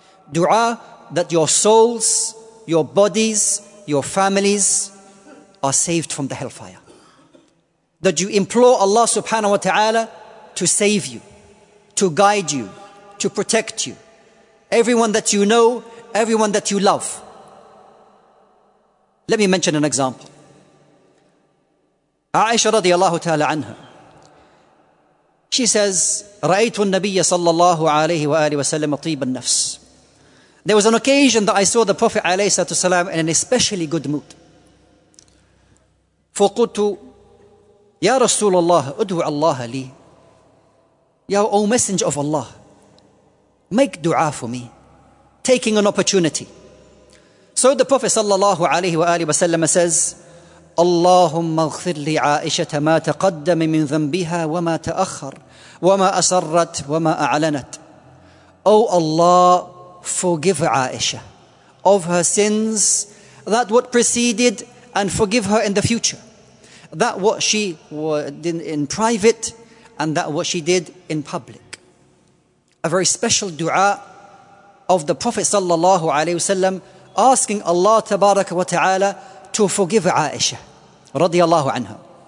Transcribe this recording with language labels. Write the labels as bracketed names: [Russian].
[English] Dua that your souls, your bodies, your families are saved from the hellfire. That you implore Allah subhanahu wa ta'ala to save you, to guide you, to protect you. Everyone that you know, everyone that you love. Let me mention an example. [Arabic] Aisha radiallahu ta'ala anha, [English] she says, [Arabic] رَأَيْتُ النَّبِيَّ صَلَّى اللَّهُ عَلَيْهِ وَآلِهِ وَسَلَّمَ طِيبَ النَّفْسِ. [English] There was an occasion that I saw the Prophet alayhi salatu wasalam in an especially good mood. [Arabic] فَقُلْتُ يَا رَسُولَ اللَّهِ أُدْوِعَ اللَّهَ لِي. [English] Ya, O Messenger of Allah, make dua for me, taking an opportunity. So the Prophet sallallahu alayhi wa alayhi wa sallam says, [Arabic] اللَّهُمَّ اغْفِرْ لِي عَائِشَةَ مَا تَقَدَّمِ مِنْ ذَنْبِهَا وَمَا تَأَخَّرَ وَمَا أَسَرَّتْ وَمَا أَعْلَنَتْ. [English] O Allah, forgive Aisha of her sins, that what preceded, and forgive her in the future, that what she did in private and that what she did in public. A very special dua of the Prophet sallallahu alayhi wasallam asking Allah tabaraka wa ta'ala to forgive Aisha radiallahu anha.